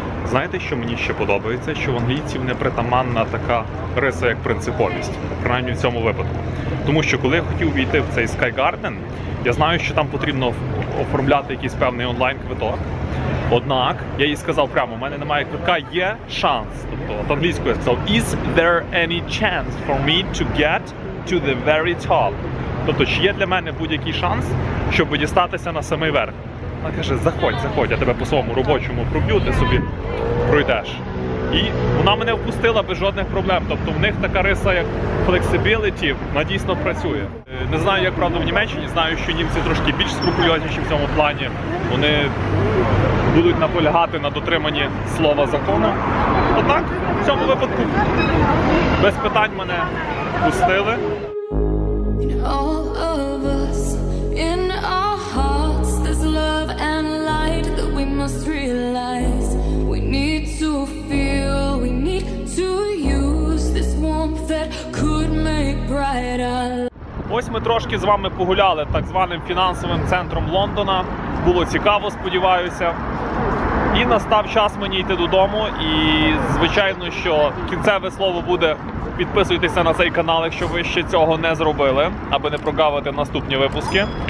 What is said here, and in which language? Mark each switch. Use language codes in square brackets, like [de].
[uk] Знаєте, що мені ще подобається? Що в англійців непритаманна така риса, як принциповість. Принаймні в цьому випадку. Тому що коли я хотів увійти в цей Sky Garden, я знаю, що там потрібно оформляти якийсь певний онлайн-квиток. Однак, я їй сказав прямо, у мене немає квитка, є шанс. Тобто, от англійською я сказав, [en] is there any chance for me to get to the very top? [uk] Тобто, чи є для мене будь-який шанс, щоб дістатися на самий верх? Вона каже, заходь, заходь, я тебе по своєму робочому проб'ю, ти собі пройдеш. І вона мене впустила без жодних проблем. Тобто, в них така риса, як flexibility, вона дійсно працює. Не знаю, як правда в Німеччині, знаю, що німці трошки більш скрупульозніші в цьому плані. Вони будуть наполягати на дотриманні слова закону. Однак, в цьому випадку, без питань мене пустили. [en] In all of us, in our hearts, there's love and light that we must realize. We need to feel, we need to use this warmth that could make brighter. [uk] Ось ми трошки з вами погуляли так званим фінансовим центром Лондона. Було цікаво, сподіваюся. І настав час мені йти додому. І, звичайно, що кінцеве слово буде підписуйтеся на цей канал, якщо ви ще цього не зробили, аби не прогавити наступні випуски.